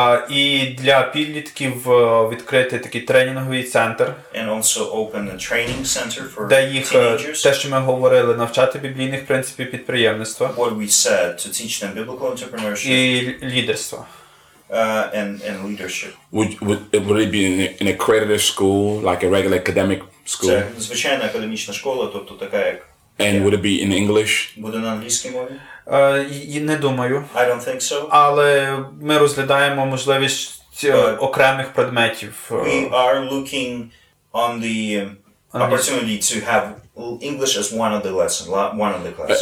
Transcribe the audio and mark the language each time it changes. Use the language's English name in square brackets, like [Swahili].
[Ukrainian] І для підлітків відкрити такий тренінговий центр. [English] And also open a training center for teenagers. [Ukrainian] Де їх, [English] teenagers. [Ukrainian] Те, що ми говорили, навчати біблійних принципів підприємництва. [English] What we said, to teach them biblical entrepreneurship. [Ukrainian] І лідерство. [English] And leadership. Would it be an accredited school, like a regular academic school? [Ukrainian] Це звичайна академічна школа, тобто така як... [English] And would it be in English? [Ukrainian] Буде на англійській мові? Не думаю. [English] I don't think so. [Ukrainian] Але ми розглядаємо можливість окремих предметів. [English] We are looking on the opportunity to have English as one of the lessons, one of the classes.